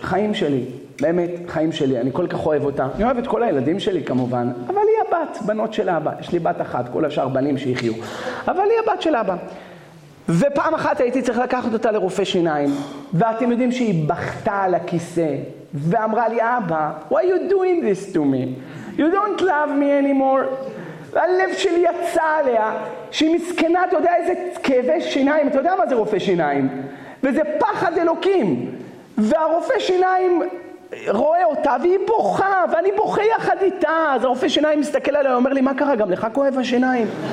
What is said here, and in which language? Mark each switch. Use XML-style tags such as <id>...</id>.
<he>חיים שלי, באמת חיים שלי. אני כל כך אוהב אותה. אני אוהב את כל הילדים שלי כמובן. אבל היא הבת, בנות של אבא. יש לי בת אחת, כל השאר בנים שיחיו. אבל היא הבת של אבא. ופעם אחת הייתי צריך לקחת אותה לרופא שיניים. ואתם יודעים שהיא בכתה על הכיסא. ואמרה לי, אבא,</he> <en>why are you doing this to me? You don't love me anymore.</en> <he>הלב שלי יצא עליה, שהיא מסכנה, אתה יודע איזה כאבי שיניים, אתה יודע מה זה רופא שיניים? וזה פחד אלוקים. והרופא שיניים רואה אותה, והיא בוכה, ואני בוכה יחד איתה. אז הרופא שיניים מסתכל עליה, אומר לי, מה קרה? גם לך כואב השיניים?</he>